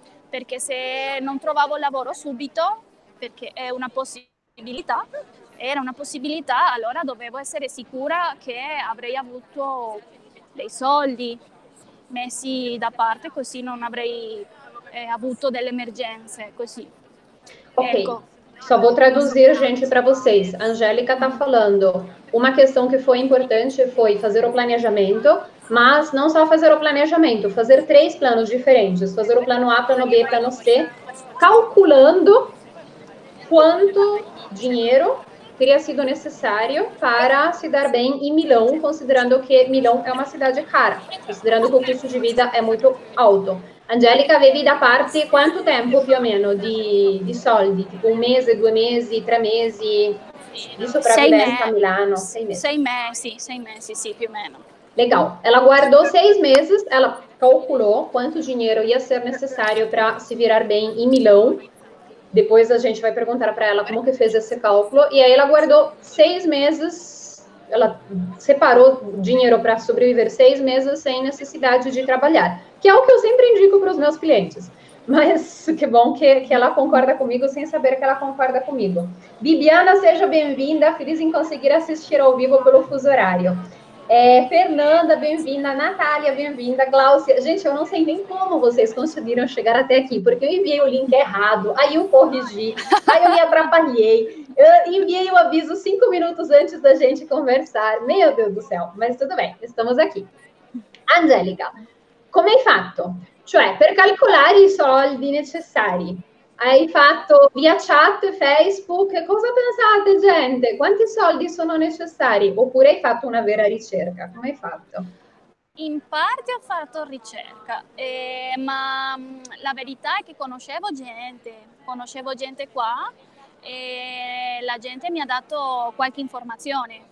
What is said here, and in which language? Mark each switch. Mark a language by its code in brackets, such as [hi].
[it] Perché se non trovavo lavoro subito, perché è una possibilità, era una possibilità, allora dovevo essere sicura che avrei avuto dei soldi messi da parte, così non avrei avuto delle emergenze, così. Ok, ecco. [pt] Só vou traduzir, gente, para vocês. Angélica tá falando, uma questão que foi importante foi fazer o planejamento, mas não só fazer o planejamento, fazer três planos diferentes, fazer o plano A, plano B, plano C, calculando quanto dinheiro teria sido necessário para se dar bem em Milão, considerando que Milão é uma cidade cara, considerando que o custo de vida é muito alto. [it] Angélica, avevi da parte quanto tempo, più o meno, di soldi? [pt] Tipo um mês, dois meses, três meses de sobrevivência a Milano? Seis meses, sim, [it] più o meno. [pt] Legal. Ela guardou seis meses, ela calculou quanto dinheiro ia ser necessário para se virar bem em Milão. Depois a gente vai perguntar para ela como que fez esse cálculo. E aí ela guardou seis meses, ela separou dinheiro para sobreviver seis meses sem necessidade de trabalhar. Que é o que eu sempre indico para os meus clientes. Mas que bom que ela concorda comigo, sem saber que ela concorda comigo. Bibiana, seja bem-vinda. Feliz em conseguir assistir ao vivo pelo fuso horário. Fernanda, bem-vinda. Natália, bem-vinda. Gláucia, gente, eu não sei nem como vocês conseguiram chegar até aqui, porque eu enviei o link errado, aí eu corrigi, aí eu me atrapalhei. Eu enviei o aviso 5 minutos antes da gente conversar. Meu Deus do céu, mas tudo bem, estamos aqui. [it] Angélica, come hai fatto? Cioè, per calcolare i soldi necessari, hai fatto via chat, Facebook, cosa pensate, gente? Quanti soldi sono necessari? Oppure hai fatto una vera ricerca? Come hai fatto? In parte ho fatto ricerca, ma la verità è che conoscevo gente qua, e la gente mi ha dato qualche informazione.